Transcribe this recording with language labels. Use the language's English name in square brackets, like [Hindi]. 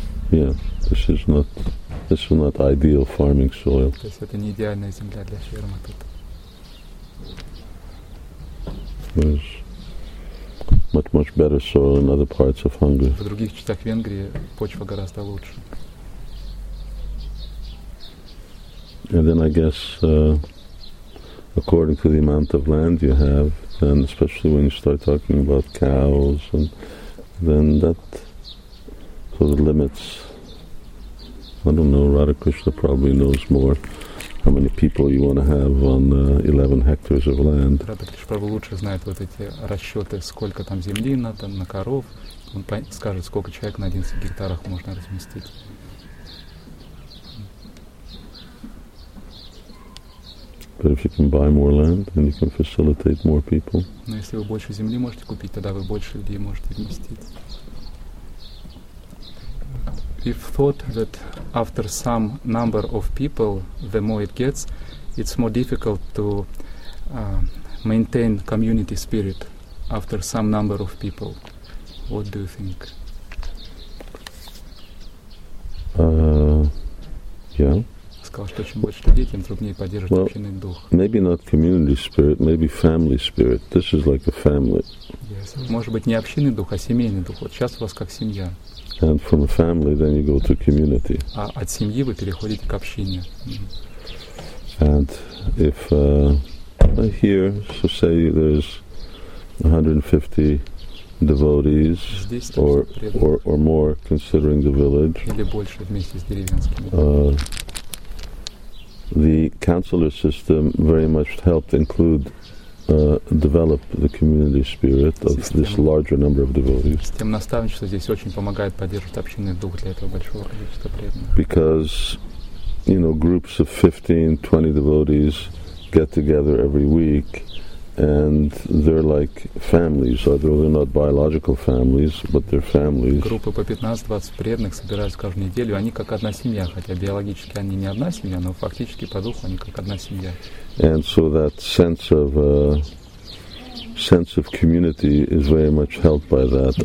[English] Yeah, this is not ideal farming soil. [Russian] То есть это не идеальная земля для фермы тут. [English] There's much, much better soil in other parts of Hungary. [Russian] В других частях Венгрии почва гораздо лучше. [English] And then I guess according to the amount of land you have, and especially when you start talking about cows, and then that sort of limits. I don't know, Radha Krishna probably knows more how many people you want to have on 11 hectares of land. [Russian] Radha Krishna probably лучше знает вот эти расчеты, сколько там земли надо на коров. Он скажет, сколько человек на 11 гектарах можно разместить. [English] But if you can buy more land, then you can facilitate more people. [Russian] Но если вы больше земли можете купить, тогда вы больше людей можете вместить. [English] We've thought that after some number of people, the more it gets, it's more difficult to maintain community spirit after some number of people. What do you think? [Russian] Сказал, что чем больше людей, тем труднее поддерживать общинный дух. [English] Maybe not community spirit, maybe family spirit. This is like a family. Yes. [Russian] Может быть, не общинный дух, а семейный дух. Вот сейчас у вас как семья. [English] And from a family, then you go to community. [Russian] А от семьи вы переходите к общине. [English] And if here, so say there's 150 devotees or more, considering the village. [Russian] Или больше вместе с деревенскими. [English] The counselor system very much helped include develop the community spirit of this larger number of devotees. [Russian] Система наставничества здесь очень помогает поддерживать общинный дух для этого большого количества преданных. [English] Because, you know, groups of 15-20 devotees get together every week, and they're like families, although they're not biological families, but they're families. [Russian] Группы по 15-20 преданных собираются каждую неделю, они как одна семья, хотя биологически они не одна семья, но фактически по духу они как одна семья. [English] And so that sense of community is very much helped by that.